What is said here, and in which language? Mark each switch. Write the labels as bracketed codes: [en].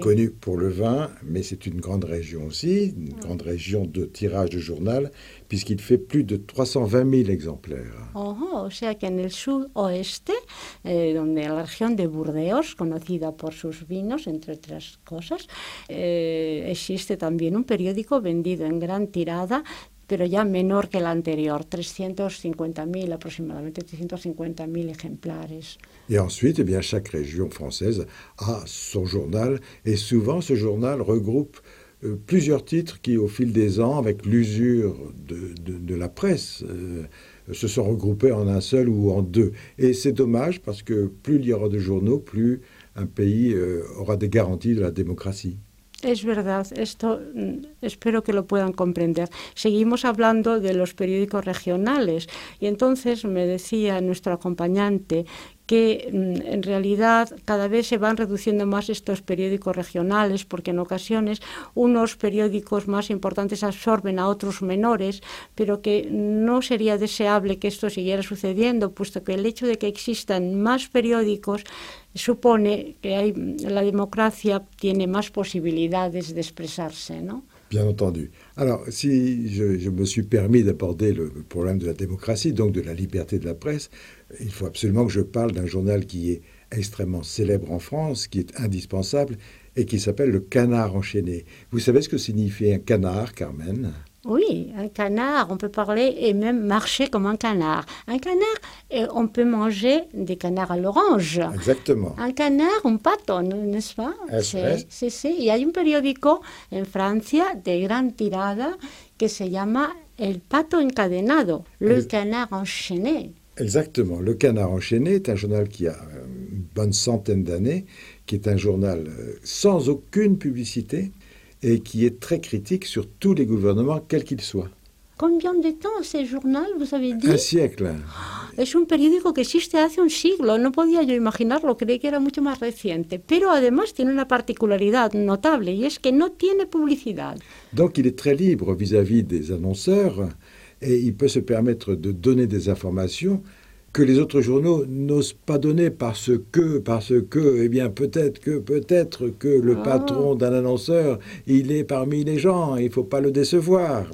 [fr] connu pour le vin, mais c'est une grande région aussi, une grande région de tirage de journal, puisqu'il fait plus de 320 000 exemplaires. [es] Oh, o sea que en el sud-oeste, donde la región de Burdeos, conocida por sus vinos, entre otras cosas, existe también un periódico vendido en gran tirada, pero ya menor que el anterior, 350.000, aproximadamente 350.000 ejemplares. [fr] Et ensuite, eh bien, chaque région française a son journal, et souvent ce journal regroupe plusieurs titres qui, au fil des ans, avec l'usure de la presse, se sont regroupés en un seul ou en deux. Et c'est dommage, parce que plus il y aura de journaux, plus un pays aura des garanties de la démocratie. [es] Es verdad, esto espero que lo puedan comprender. Seguimos hablando de los periódicos regionales y entonces me decía nuestro acompañante que en realidad cada vez se van reduciendo más estos periódicos regionales porque en ocasiones unos periódicos más importantes absorben a otros menores, pero que no sería deseable que esto siguiera sucediendo, puesto que el hecho de que existan más periódicos supone que la democracia tiene más posibilidades de expresarse, ¿no? [fr] Bien entendu. Alors, si je me suis permis d'aborder le problème de la démocratie, donc de la liberté de la presse, il faut absolument que je parle d'un journal qui est extrêmement célèbre en France, qui est indispensable et qui s'appelle Le Canard Enchaîné. Vous savez ce que signifie un canard, Carmen ? Oui, un canard, on peut parler et même marcher comme un canard. Un canard, on peut manger des canards à l'orange. Exactement. Un canard, un pato, n'est-ce pas ? Est-ce vrai ? Il y a un [es] periódico [fr] en France de grande [es] tirada [fr] qui se [es] llama El Pato Encadenado, [fr] Le Canard Enchaîné. Exactement. Le Canard Enchaîné est un journal qui a une bonne centaine d'années, qui est un journal sans aucune publicité, et qui est très critique sur tous les gouvernements, quels qu'ils soient. Combien de temps ce journal, vous avez dit ? Un siècle. [es] es un periódico que existe hace un siglo, no podía yo imaginarlo, creí que era mucho más reciente. Pero además tiene una particularidad notable y es que no tiene publicidad. [fr] Donc il est très libre vis-à-vis des annonceurs et il peut se permettre de donner des informations que les autres journaux n'osent pas donner parce que, eh bien, peut-être que le patron d'un annonceur, il est parmi les gens, il ne faut pas le décevoir.